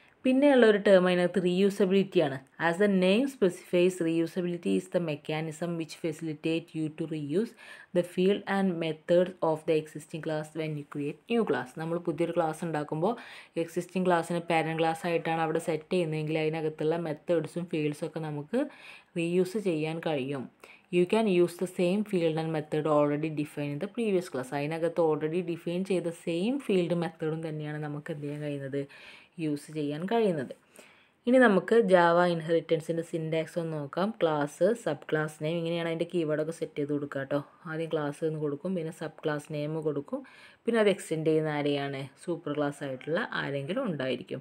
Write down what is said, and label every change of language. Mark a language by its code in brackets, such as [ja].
[ml] പിന്നെയുള്ള ഒരു ടേം അതിനകത്ത് റീയൂസബിലിറ്റി ആണ്. [en] As the name specifies, reusability is the mechanism which facilitate you to reuse the field and methods of the existing class when you create new class. [ml] നമ്മൾ പുതിയൊരു class ഉണ്ടാക്കുമ്പോൾ existing ക്ലാസ്സിന് parent class ആയിട്ടാണ് അവിടെ set ചെയ്യുന്നതെങ്കിൽ അതിനകത്തുള്ള മെത്തേഡ്സും ഫീൽഡ്സും ഒക്കെ നമുക്ക് റീയൂസ് ചെയ്യാൻ കഴിയും. [en] you can use the same field and method already defined in the previous class. [ml] അതിനകത്ത് ഓൾറെഡി ഡിഫൈൻ ചെയ്ത സെയിം ഫീൽഡും മെത്തേഡും തന്നെയാണ് നമുക്ക് എന്ത് ചെയ്യാൻ കഴിയുന്നത്, യൂസ് ചെയ്യാൻ കഴിയുന്നത്. ഇനി നമുക്ക് ജാവ ഇൻഹെറിറ്റൻസിൻ്റെ സിൻടാക്സ് ഒന്ന് നോക്കാം. ക്ലാസ്, സബ് ക്ലാസ് നെയിം, ഇങ്ങനെയാണ് അതിൻ്റെ കീവേഡൊക്കെ സെറ്റ് ചെയ്ത് കൊടുക്കുക കേട്ടോ. ആദ്യം ക്ലാസ് എന്ന് കൊടുക്കും, പിന്നെ സബ് ക്ലാസ് നെയിം കൊടുക്കും, പിന്നെ അത് എക്സ്റ്റെൻഡ് ചെയ്യുന്ന ആരെയാണ്, സൂപ്പർ ക്ലാസ് ആയിട്ടുള്ള ആരെങ്കിലും ഉണ്ടായിരിക്കും.